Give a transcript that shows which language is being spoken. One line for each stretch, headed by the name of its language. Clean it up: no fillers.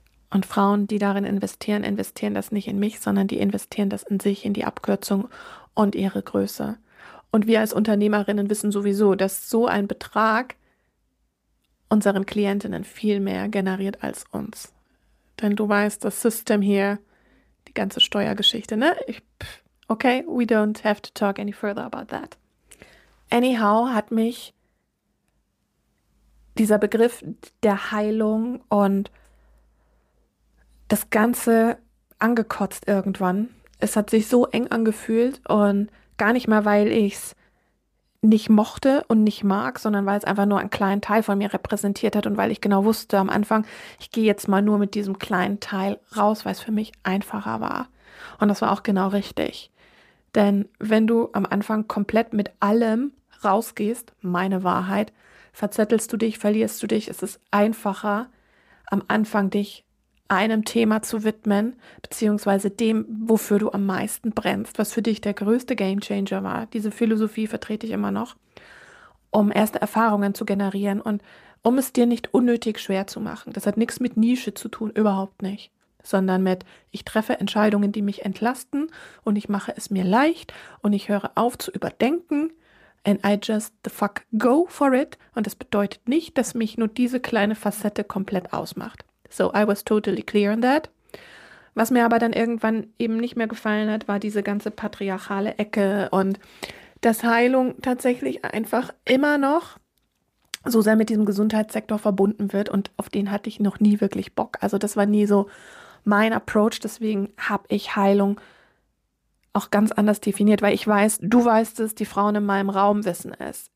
German: Und Frauen, die darin investieren, investieren das nicht in mich, sondern die investieren das in sich, in die Abkürzung und ihre Größe. Und wir als Unternehmerinnen wissen sowieso, dass so ein Betrag unseren Klientinnen viel mehr generiert als uns. Denn du weißt, das System hier, die ganze Steuergeschichte, ne?
English: Okay, we don't have to talk any further about that.
German: Anyhow hat mich dieser Begriff der Heilung und das Ganze angekotzt irgendwann. Es hat sich so eng angefühlt und gar nicht mal, weil ich es nicht mochte und nicht mag, sondern weil es einfach nur einen kleinen Teil von mir repräsentiert hat und weil ich genau wusste am Anfang, ich gehe jetzt mal nur mit diesem kleinen Teil raus, weil es für mich einfacher war. Und das war auch genau richtig. Denn wenn du am Anfang komplett mit allem rausgehst, meine Wahrheit, verzettelst du dich, verlierst du dich, es ist einfacher, am Anfang dich einem Thema zu widmen, beziehungsweise dem, wofür du am meisten brennst, was für dich der größte Gamechanger war. Diese Philosophie vertrete ich immer noch, um erste Erfahrungen zu generieren und um es dir nicht unnötig schwer zu machen. Das hat nichts mit Nische zu tun, überhaupt nicht, sondern mit, ich treffe Entscheidungen, die mich entlasten und ich mache es mir leicht und ich höre auf zu überdenken.
English: And I just the fuck go for it.
German: Und das bedeutet nicht, dass mich nur diese kleine Facette komplett ausmacht.
English: So I was totally clear on that.
German: Was mir aber dann irgendwann eben nicht mehr gefallen hat, war diese ganze patriarchale Ecke und dass Heilung tatsächlich einfach immer noch so sehr mit diesem Gesundheitssektor verbunden wird und auf den hatte ich noch nie wirklich Bock. Also das war nie so mein Approach, deswegen habe ich Heilung auch ganz anders definiert, weil ich weiß, du weißt es, die Frauen in meinem Raum wissen es.